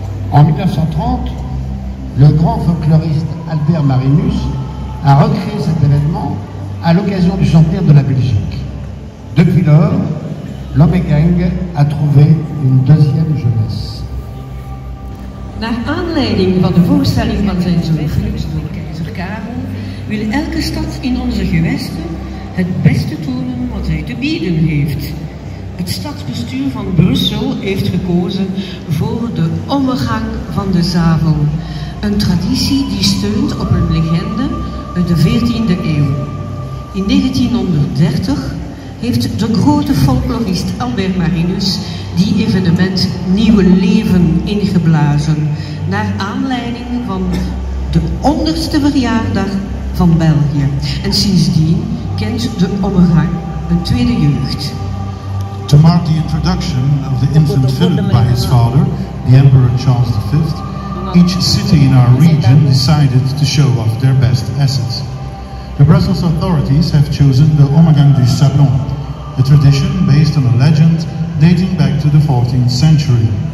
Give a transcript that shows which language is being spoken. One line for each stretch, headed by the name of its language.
French: En 1930, le grand folkloriste Albert Marinus a recréé cet événement à l'occasion du centenaire de la Belgique. Depuis lors, l'Ommegang a trouvé une deuxième jeunesse.
Dutch: Naar aanleiding van de voorstelling van zijn zoon Philips door keizer Karel, wil elke stad in onze gewesten het beste tonen wat zij te bieden heeft. Het stadsbestuur van Brussel heeft gekozen voor de Ommegang van de Sabel. Een traditie die steunt op een legende uit de 14e eeuw. In 1930 heeft de grote folklorist Albert Marinus die evenement nieuw leven ingeblazen, naar aanleiding van de 100ste verjaardag van België. En sindsdien kent de Ommegang een tweede jeugd.
English: To mark the introduction of the infant Philip by his father, the Emperor Charles V, each city in our region decided to show off their best assets. The Brussels authorities have chosen the Ommegang du Sablon, a tradition based on a legend dating back to the 14th century.